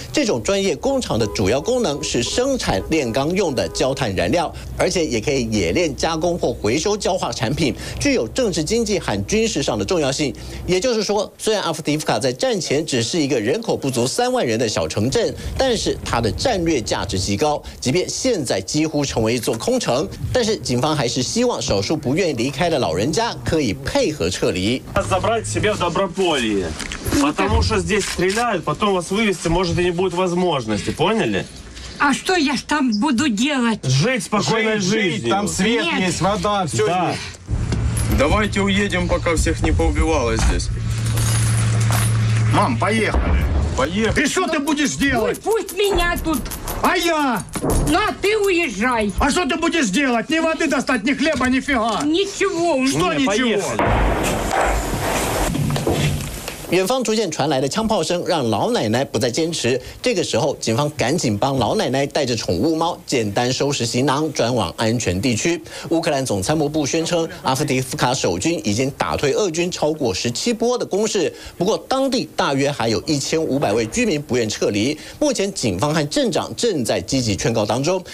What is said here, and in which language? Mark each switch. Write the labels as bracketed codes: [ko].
[zh] 这种专业工厂的主要功能是生产炼钢用的焦炭燃料，而且也可以冶炼加工或回收焦化产品，具有政治经济和军事上的重要性。也就是说，虽然阿夫迪夫卡在战前只是一个人口不足30,000人的小城镇，但是它的战略价值极高，即便现在几乎成为一座空城，但是警方还是希望少数不愿意离开的老人家可以配合撤离。 [ru] Себя в доброполье, потому что здесь стреляют, потом вас вывести может и не будет возможности, поняли? А что я ж там буду делать? Жить спокойной жизнью. Там свет Нет. есть, вода, все. Да. Давайте уедем, пока всех не поубивало здесь. Мам, поехали. Поехали. И что ты будешь делать? Пусть меня тут. А я? Ну, а ты уезжай. А что ты будешь делать? Ни воды достать, ни хлеба, ни фига. Ничего. Что Нет, ничего? Поехали. [zh] 远方逐渐传来的枪炮声让老奶奶不再坚持，这个时候警方赶紧帮老奶奶带着宠物猫简单收拾行囊，转往安全地区。乌克兰总参谋部宣称阿夫迪夫卡守军已经打退俄军超过17波的攻势，不过当地大约还有1500位居民不愿撤离，目前警方和镇长正在积极劝告当中。